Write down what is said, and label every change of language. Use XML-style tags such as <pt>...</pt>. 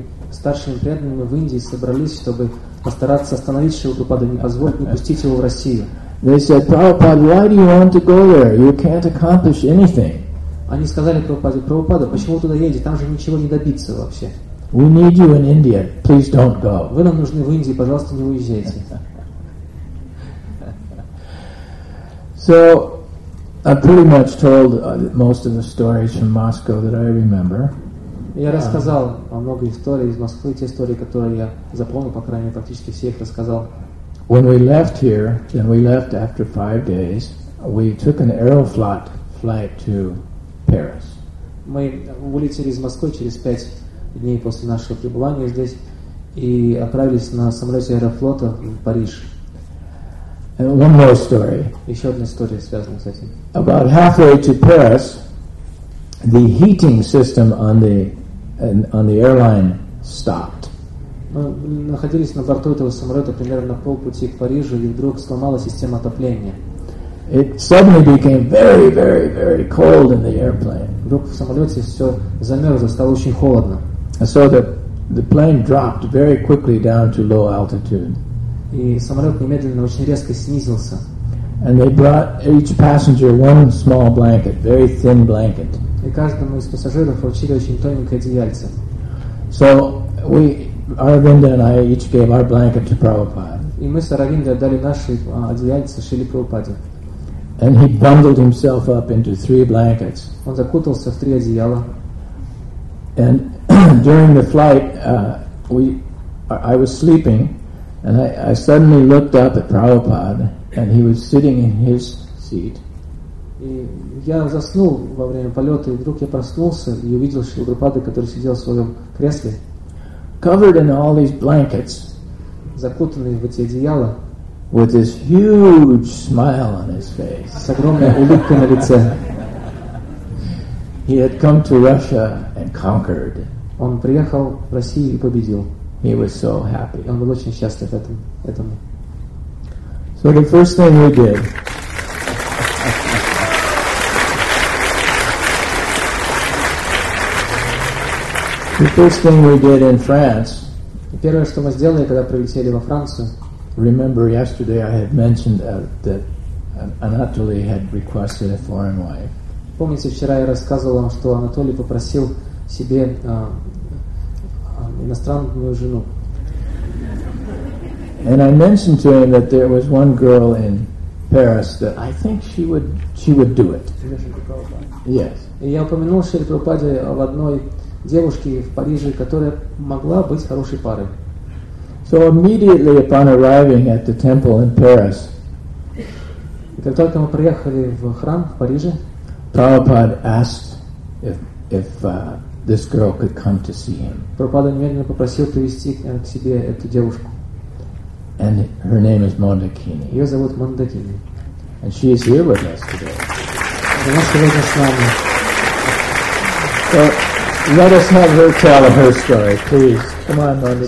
<ru>Старшими преданными в Индии собрались, чтобы постараться остановить Шрилу Прабхупаду, не позволить, не пустить его в Россию.</ru> <en>They said, Prabhupada, why do you want to go there? You can't accomplish anything.</en> <ru>Они сказали Прабхупаде, Прабхупада, почему вы туда едете? Там же ничего не добиться вообще.</ru> <en>We need you in India. Please don't go.</en> <ru>Вы нам нужны в Индии, пожалуйста, не уезжайте.</ru> <en>So, I pretty much told most of the stories from Moscow that I remember.</en> <ru>Я рассказал о многих историй из Москвы, те истории, которые я запомнил, по крайней мере, практически все их рассказал.</ru> <en>When we left here, and we left after 5 days, we took an Aeroflot flight to Paris.</en> <ru>Мы вылетели из Москвы через 5 дней после нашего пребывания здесь и отправились на самолете Аэрофлота в Париж.</ru> <en>And one more story.</en> <ru>Еще одна история, связанная с этим.</ru> <en>About halfway to Paris, the heating system on the airline stopped.</en> <ru>Мы находились на борту этого самолета примерно на полпути к Парижу, и вдруг сломалась система отопления.</ru> <en>It suddenly became very, very, very cold in the airplane.</en> <ru>В вдруг в самолете все замерзло, стало очень холодно.</ru> <en>And so the plane dropped very quickly down to low altitude.</en> <ru>И самолет немедленно очень резко снизился.</ru> <en>And they brought each passenger one small blanket, very thin blanket.</en> <ru>И каждому из пассажиров вручили очень тоненькое одеяльце.</ru> <en>So we, Aravinda and I, each gave our blanket to Prabhupada.</en> <ru>И мы с Аравиндой отдали наши одеяльца Шриле Прабхупаде.</ru> <en>And he bundled himself up into three blankets.</en> <ru>Он закутался в три одеяла.</ru> <en>And during the flight, I was sleeping, and I suddenly looked up at Prabhupada, and he was sitting in his seat.</en> <ru>И я заснул во время полета, и вдруг я проснулся и увидел Шриле Прабхупаду, который сидел в своем кресле.</ru> <en>Covered in all these blankets,</en> <ru>закутанный в эти одеяла,</ru> <en>with this huge smile on his face,</en> <ru>с огромной улыбкой на лице,</ru> <en>he had come to Russia and conquered.</en> <ru>Он приехал в Россию и победил.</ru> <en>He was so happy.</en> <ru>Он был очень счастлив этому.</ru> <en>So the first thing he did. The first thing we did in France.</en> <ru>Первое, что мы сделали, когда прилетели во Францию.</ru> <en>Remember yesterday I had mentioned that Anatoly had requested a foreign wife.</en> <ru>Помните, вчера я рассказывал вам, что Анатолий попросил себе иностранную жену.</ru> <en>And I mentioned to him that there was one girl in Paris that I think she would do it. Yes.</en> <ru>И я упомянул Шриле Прабхупаде об одной девушки в Париже, которая могла быть хорошей парой.</ru> <en>So immediately upon arriving at the temple in Paris,</en> <ru>как только мы приехали в храм в Париже,</ru> <en>Prabhupada asked if this girl could come to see him.</en> <ru>Прабхупада немедленно попросил привести к себе эту девушку.</ru> <en>And her name is Mandakini.</en> <ru>Ее зовут Мандакини.</ru> <en>And she is here with us today.</en> <ru>Она сегодня с нами.</ru> <en>Let us have her tell her story, please. Come on, Mandakini.</en>